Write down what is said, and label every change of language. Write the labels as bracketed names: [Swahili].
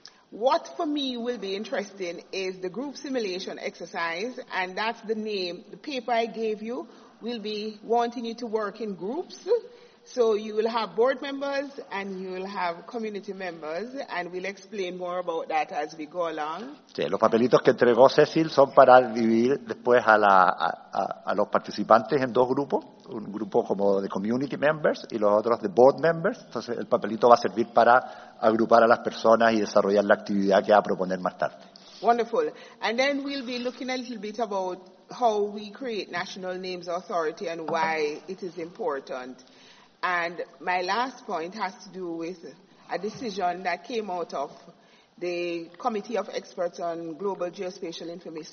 [English] What for me will be interesting is the group simulation exercise, and that's the name, the paper I gave you. We'll be wanting you to work in groups, so you will have board members and you will have community members, and we'll explain more about that as we go along. [Spanish] Sí, los papelitos que entregó Cecil son para dividir después a los participantes en dos grupos, un grupo como de [English] community members [Spanish] y los otros de [English] board members. [Spanish] Entonces, el papelito va a servir para agrupar a las personas y desarrollar la actividad que va a proponer más tarde. [English] Wonderful. And then we'll be looking a little bit about how we create national names authority and why it is important. And my last point has to do with a decision that came out of the Committee of Experts on Global Geospatial Information.